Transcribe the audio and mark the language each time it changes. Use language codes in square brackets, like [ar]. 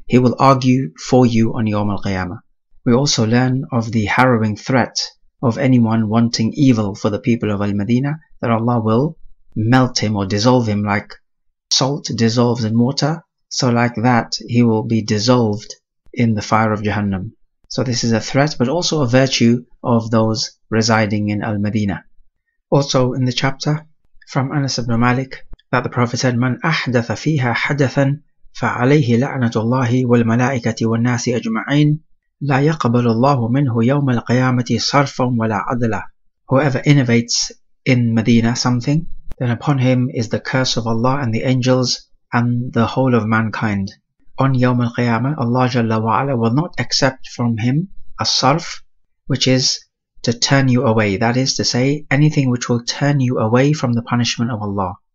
[en] He will argue for you on Yawm al-Qiyamah. We also learn of the harrowing threat of anyone wanting evil for the people of Al-Madinah, that Allah will melt him or dissolve him like salt dissolves in water. So like that, he will be dissolved in the fire of Jahannam. So this is a threat, but also a virtue of those residing in Al-Madinah. Also in the chapter, from Anas ibn Malik, that the Prophet said, [ar] من أحدث فيها حدثا فعليه لعنة الله والملائكة والناس أجمعين لا يقبل الله منه يوم القيامة صرفا ولا عدلا. [en] Whoever innovates in Medina something, then upon him is the curse of Allah and the angels and the whole of mankind. On يوم القيامة, Allah جل وعلا will not accept from him a صرف, which is to turn you away. That is to say, anything which will turn you away from the punishment of Allah.